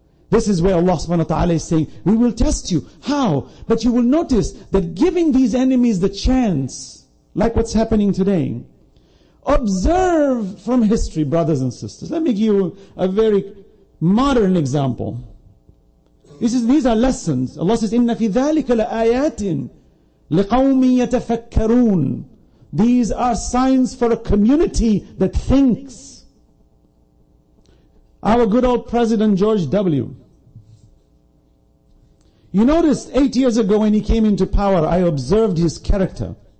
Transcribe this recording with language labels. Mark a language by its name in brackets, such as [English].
[English] This is where Allah subhanahu wa ta'ala is saying, we will test you. How? But you will notice that giving these enemies the chance, like what's happening today, observe from history, brothers and sisters. Let me give you a very modern example. These are lessons. Allah says, [Arabic] إِنَّ فِي ذَلِكَ لَآيَاتٍ لِقَوْمٍ يَتَفَكَّرُونَ. [English] These are signs for a community that thinks. Our good old President George W. You noticed 8 years ago when he came into power, I observed his character.